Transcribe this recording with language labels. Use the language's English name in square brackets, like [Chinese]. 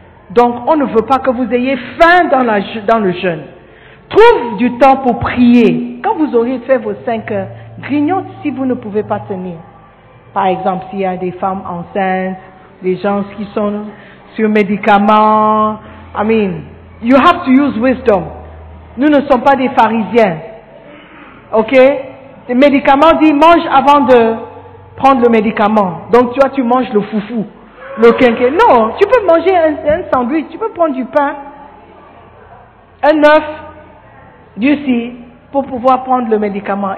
[French] Donc, on ne veut pas que vous ayez faim dans le jeûne. Trouve du temps pour prier. Quand vous aurez fait vos 5 heures, grignote si vous ne pouvez pas tenir. Par exemple, s'il y a des femmes enceintes, des gens qui sont sur médicaments. [English] I mean, you have to use wisdom. [French] Nous ne sommes pas des pharisiens. Ok? Les médicaments disent, mange avant de prendre le médicament. Donc, tu vois, tu manges le foufou, le quinqué. Non, tu peux manger un sandwich, tu peux prendre du pain, un œuf, du si, pour pouvoir prendre le médicament.